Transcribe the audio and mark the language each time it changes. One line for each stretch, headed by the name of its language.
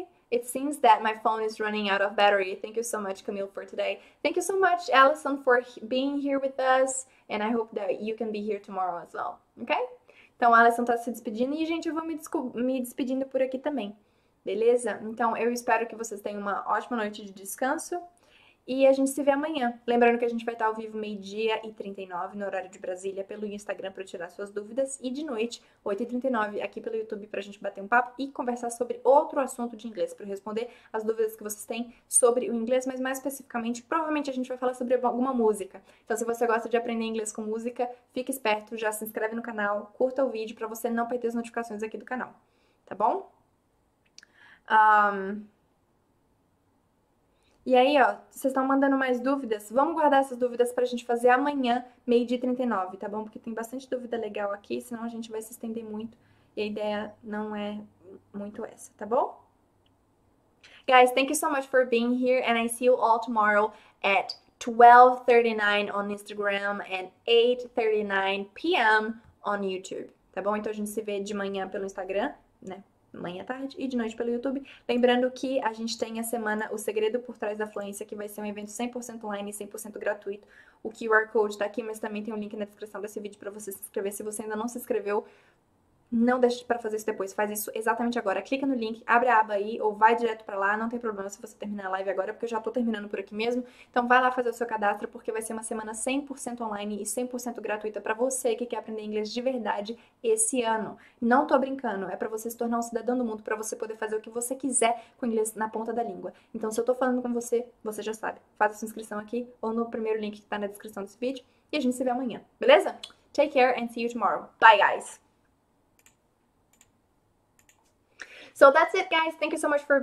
English: It seems that my phone is running out of battery. Thank you so much, Camille, for today. Thank you so much, Allison, for being here with us. And I hope that you can be here tomorrow as well, okay?
Portuguese: Então, a Alison está se despedindo e, gente, eu vou me despedindo por aqui também. Beleza? Então, eu espero que vocês tenham uma ótima noite de descanso e a gente se vê amanhã. Lembrando que a gente vai estar ao vivo meio-dia e 39 no horário de Brasília pelo Instagram para tirar suas dúvidas e de noite, 8h39 aqui pelo YouTube para a gente bater um papo e conversar sobre outro assunto de inglês para responder as dúvidas que vocês têm sobre o inglês, mas mais especificamente, provavelmente a gente vai falar sobre alguma música. Então, se você gosta de aprender inglês com música, fique esperto, já se inscreve no canal, curta o vídeo para você não perder as notificações aqui do canal. Tá bom? E aí, ó, vocês estão mandando mais dúvidas? Vamos guardar essas dúvidas para a gente fazer amanhã, meio-dia e 39, tá bom? Porque tem bastante dúvida legal aqui, senão a gente vai se estender muito e a ideia não é muito essa, tá bom?
English: Guys, thank you so much for being here and I see you all tomorrow at 12:39 on Instagram and 8:39 p.m. on YouTube,
Portuguese: tá bom? Então a gente se vê de manhã pelo Instagram, né? Manhã, tarde e de noite pelo YouTube. Lembrando que a gente tem a semana O Segredo por Trás da Fluência, que vai ser um evento 100% online e 100% gratuito. O QR Code tá aqui, mas também tem um link na descrição desse vídeo para você se inscrever. Se você ainda não se inscreveu, não deixe para fazer isso depois. Faz isso exatamente agora. Clica no link, abre a aba aí ou vai direto para lá. Não tem problema se você terminar a live agora, porque eu já tô terminando por aqui mesmo. Então vai lá fazer o seu cadastro, porque vai ser uma semana 100% online e 100% gratuita para você que quer aprender inglês de verdade esse ano. Não tô brincando, é para você se tornar um cidadão do mundo, para você poder fazer o que você quiser com inglês na ponta da língua. Então se eu tô falando com você, você já sabe. Faz a sua inscrição aqui ou no primeiro link que tá na descrição desse vídeo e a gente se vê amanhã, beleza?
English: Take care and see you tomorrow. Bye, guys. So that's it, guys. Thank you so much for